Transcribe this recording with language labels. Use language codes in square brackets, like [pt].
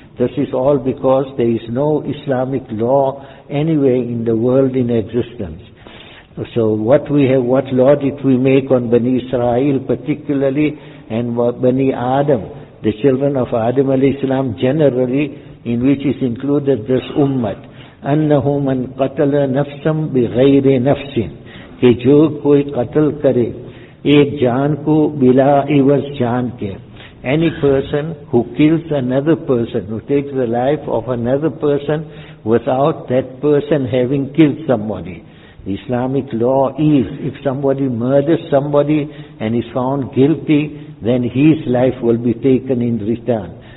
[en] This is all because there is no Islamic law anywhere in the world in existence. So what law did we make on Bani Israel particularly, and Bani Adam, the children of Adam alayhi salam generally, in which is included this ummat? [ar] أَنَّهُ مَنْ قَتَلَ نَفْسًا بِغَيْرِ نَفْسٍ, [ur] کہ جو کوئی قتل کرے ایک جان کو بلا عوض جان کے. [en] Any person who kills another person, who takes the life of another person without that person having killed somebody, Islamic law is, if somebody murders somebody and is found guilty, then his life will be taken in return.